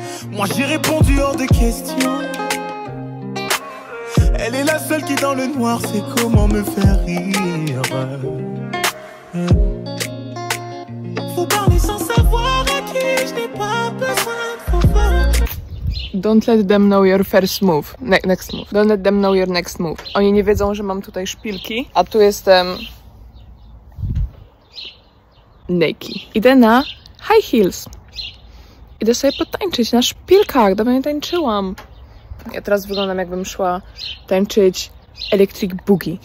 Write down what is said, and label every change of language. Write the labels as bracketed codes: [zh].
[fr] Moi j'ai répondu hors de question. Elle est la seule qui dans le noir sait comment me faire rire. Faut parler sans savoir à qui je n'ai pas besoin. [en] Don't let them know your first move. Next move. Don't let them know your next move. [pl] Oni nie wiedzą, że mam tutaj szpilki, a tu jestem naked. Idę na [en] high heels. [pl] Idę sobie potańczyć na szpilkach. Dawno nie tańczyłam. Ja teraz wyglądam, jakbym szła tańczyć electric boogie.